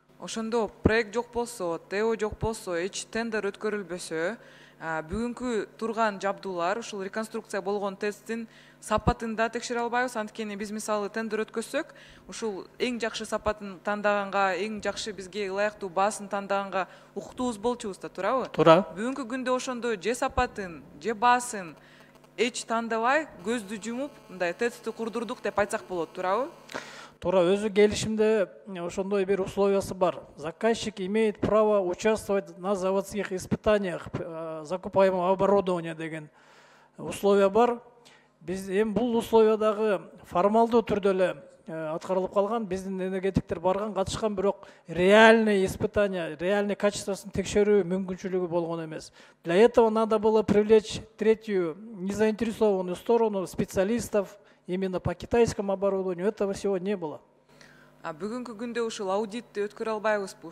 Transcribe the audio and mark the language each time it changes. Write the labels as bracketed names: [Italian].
[Kyrgyz] Ошондо проект жок болсо, ТЭО жок болсо, эч тендер өткөрүлбөсө, бүгүнкү турган жабдуулар, ушул реконструкция болгон тесттин сапатында текшере албайбыз, анткени биз мисалы тендер өткөрсөк, ушул эң жакшы сапатын тандаганга, эң жакшы бизге ылайыктуу баасын тандаганга укуктуубуз болчубуз да, туурабы? Туура. Бүгүнкү күндө ошондой же сапатын, же баасын эч тандабай, көздү жумуп, мындай тестти курдурдук деп айтсак болот, туурабы? Туура, өзү келишимде ошондой бир условиясы бар. [Russian] Заказчик имеет право участвовать на заводских испытаниях закупаемого оборудования деген условия бар. [Kyrgyz] Биз эми бул условиядагы формалдуу түрдө эле аткарылып калган, биздин энергетиктер барган, катышкан, бирок реальный испытания, реальный качествосун текшерүү мүмкүнчүлүгү болгон эмес. [Russian] Для этого надо было привлечь третью незаинтересованную сторону специалистов именно по китайскому оборудованию. Этого всего не было. [Kyrgyz] А бүгүнкү күндө ушул аудитти өткөрө албайбызбы?